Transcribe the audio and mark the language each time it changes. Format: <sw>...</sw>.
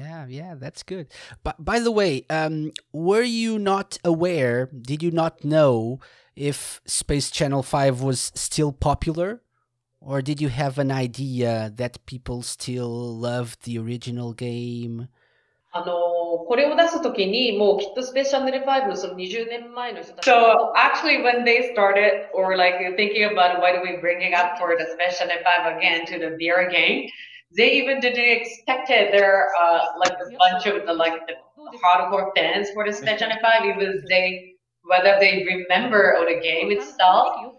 <en>Yeah, that's good. But by the way, were you not aware, did you not know if Space Channel 5 was still popular? Or did you have an idea that people still loved the original game?</en> <ja>これを出すときにもうきっとスペシャル5のその20年前の人たち。</ja> <en>So actually when they started or like thinking about why do we bring it up for the special 5 again to the VR game, they even didn't expect it. There are like a bunch of the like the hardcore fans for the special 5, even they whether they remember or the game itself.</en>